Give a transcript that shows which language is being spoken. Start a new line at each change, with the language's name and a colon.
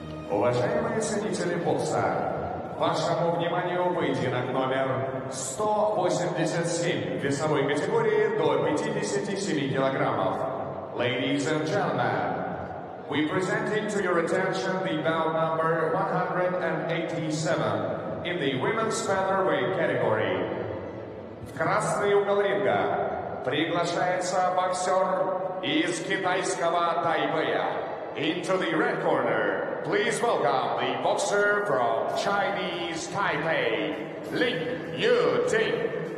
Russian: Уважаемые зрители бокса, вашему вниманию поединок номер 187 весовой категории до 57 килограммов.
English: Ladies and gentlemen, we present to your attention the bout number 187 in the women's featherweight category.
Russian: В красный угол ринга приглашается боксер из китайского Тайбэя.
English: Into the red corner, please welcome the boxer from Chinese Taipei, Lin Yuting.